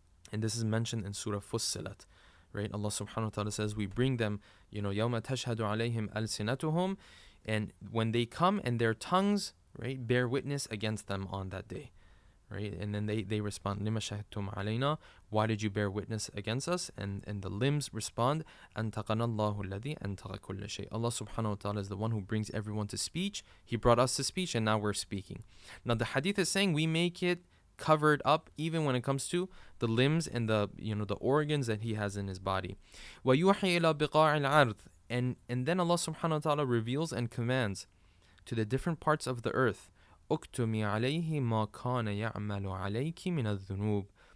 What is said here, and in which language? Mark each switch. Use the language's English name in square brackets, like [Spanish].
[English] And this is mentioned in Surah Fussilat, right? Allah subhanahu wa ta'ala says, we bring them, you know, [Arabic] يَوْمَ تَشْهَدُ عَلَيْهِمْ أَلْسِنَتُهُمْ. [English] And when they come and their tongues, right, bear witness against them on that day. Right? And then they respond, [Arabic] لِمَ شَهِدْتُمْ عَلَيْنَا, [English] why did you bear witness against us? And the limbs respond, [Arabic] أَنْتَقَنَا اللَّهُ الَّذِي أَنْتَقَ كُلَّ شَيْءٍ. [English] Allah subhanahu wa ta'ala is the one who brings everyone to speech. He brought us to speech and now we're speaking. Now the hadith is saying we make it covered up even when it comes to the limbs and the, you know, the organs that he has in his body. [Arabic] وَيُوحِي إِلَى بِقَاعِ الْعَرْضِ. [English] And then Allah subhanahu wa ta'ala reveals and commands to the different parts of the earth, [Arabic] أُكْتُمِي عَلَيْهِ مَا كَانَ يَعْمَلُ عَلَيْكِ مِنَ الذُّنُوبِ.